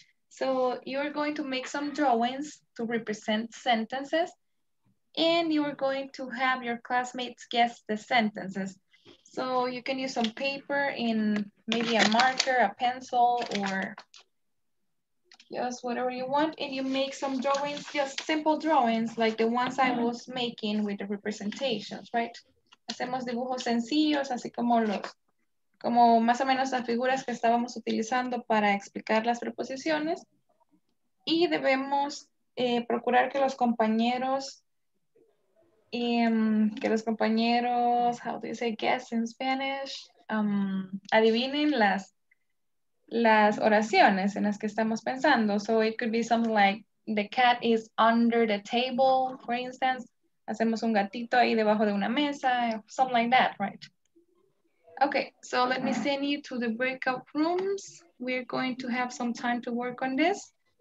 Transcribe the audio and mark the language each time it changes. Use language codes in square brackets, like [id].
[en] So you're going to make some drawings to represent sentences, and you're going to have your classmates guess the sentences. So you can use some paper in maybe a marker, a pencil, or just whatever you want. And you make some drawings, just simple drawings, like the ones I was making with the representations, right? [es] Hacemos dibujos sencillos, así como los, como más o menos las figuras que estábamos utilizando para explicar las preposiciones. Y debemos procurar que los compañeros, [en] how do you say guess in Spanish? [es] Adivinen las oraciones en las que estamos pensando. [en] So it could be something like, the cat is under the table, for instance. [es] Hacemos un gatito ahí debajo de una mesa, [en] something like that, right? Okay, so let me send you to the breakout rooms. We're going to have some time to work on this.